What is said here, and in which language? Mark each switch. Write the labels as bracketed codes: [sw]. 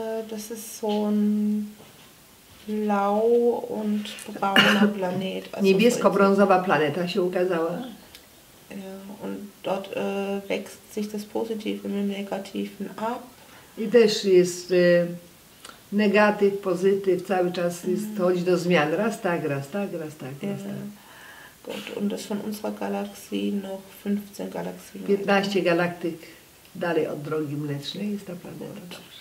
[de] Das ist so ein blau und brauner Planet. [pl] Also niebiesko-brązowa planeta się ukazała. [de] Ja, und dort wächst sich das Positive mit dem Negativen ab. [pl] I też jest negatyw, pozytyw, cały czas jest, chodzi do zmian. Raz tak, raz tak, raz tak, raz tak. [de] Gut. Und das von unserer Galaxie noch 15 Galaxien. [pl] 15 galaktyk dalej od Drogi Mlecznej jest ta planeta.